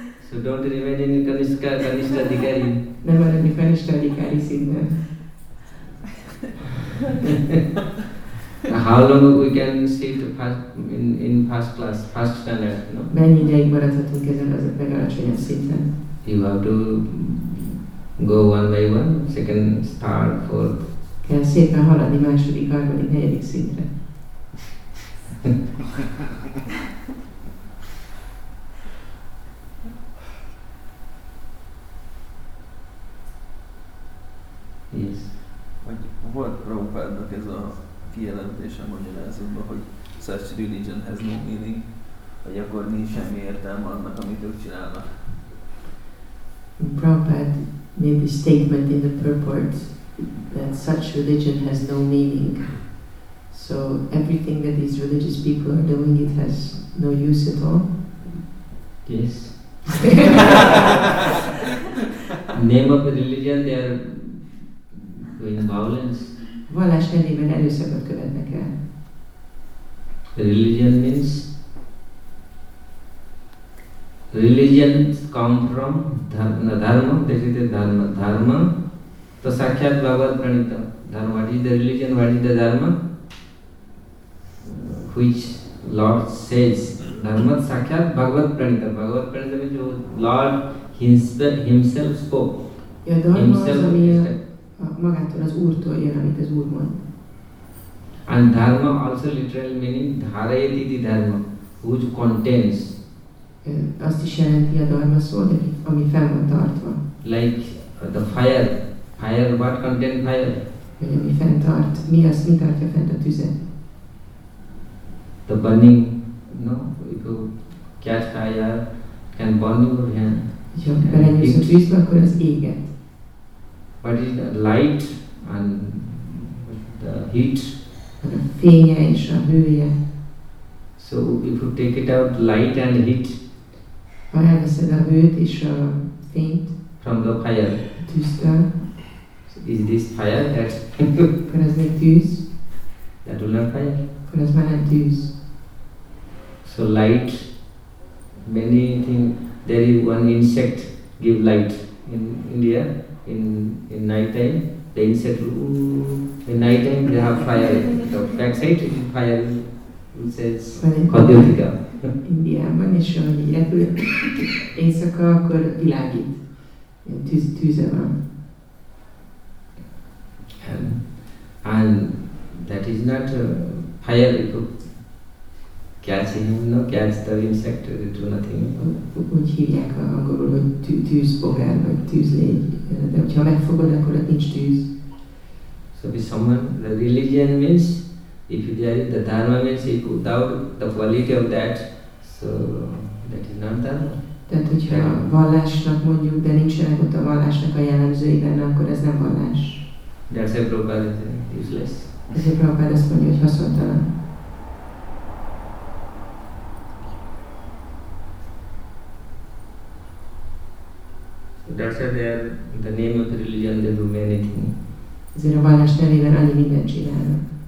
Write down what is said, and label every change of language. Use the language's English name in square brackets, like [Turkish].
[English] So don't remain in Kanishtha Adhikari. Never any Kanishtha Adhikari singer. How long we can sit in first class, first standard, no? [Hungarian] Mennyi ideig maradhatunk ezen az a legalacsonyabb szinten? [English] You have to go one by one, second, third, fourth. [Hungarian] Kell szépen haladni második, harmadik, negyedik szintre. [English] Yes. [Hungarian] Vagy volt Prabhupádnak ez a kijelentése magyarázatban, hogy [English] such religion has no meaning, [Hungarian] hogy akkor nincs semmi értelme annak, amit ők csinálnak. [English] Prabhupada made a statement in the purport that such religion has no meaning. So everything that these religious people are doing, it has no use at all? Yes. Name of a religion, they are doing violence. [Hungarian] Vallás nevében erőszakot követnek el. [English] Religion means? Religion comes from dharma, that is the dharma. Dharma, to sakyat bhagavat pranitam. Dharma, what is the religion, what is the dharma? Which Lord says, [Sanskrit] dharma sakyat bhagavat pranitam. [English] Bhagavat pranitam is what Lord himself spoke. [Hungarian] Ja, dharma himself az, ami magától az Úrtól jön, amit az Úr mond. [English] And dharma also literal meaning dharayati the dharma, which contains. [Hungarian] Azt is jelenti a dharma szó, ami fel van tartva. [English] Like the fire, what contains fire? [Hungarian] Ami fenntart, mi az, mi tartja fent a tüzet? [English] The burning, no? If you catch fire, can burn your hand. [Hungarian] Ha belenyúlsz a tűzbe, akkor az éget. [English] What is the light and the heat? [Hungarian] fénye és a hője. [English] So if you take it out light and heat. [Hungarian] Ha elveszed a hőt és a fényt. [English] From the fire. [Hungarian] Tűztől. [English] So is this fire that? [Hungarian] Akkor ez még tűz. [English] That will not fire. Akkor ez már nem tűz. So light, many thing, there is one insect give light in India in night time. The insect, ooh, in night time they have fire. The backside is fire. It says Kadyotika. [Hungarian] Indiában is, ahogy így repül éjszaka, akkor világít. Ilyen tűze van. [English] And that is not fire, if you catch him, you know, catch the insect, it will do nothing. [Hungarian] Úgy hívják angolul, hogy tűzfogár, vagy tűzlégy. De hogyha megfogod, akkor ott nincs tűz. [English] So if someone, the religion means, if there is the dharma means, if without the quality of that, so that is not dharma. [Hungarian] Tehát, hogyha a vallásnak mondjuk, de nincsenek ott a vallásnak a jellemzőiben, akkor ez nem vallás. [English] That's a Prabhupada said, useless. [Hungarian] Ez a Prabhupada azt mondja, hogy haszontalan. [English] So that's why they are, the name of the religion, they do many things. [Hungarian] Ezért a vallás nevében annyi mindent csinálnak.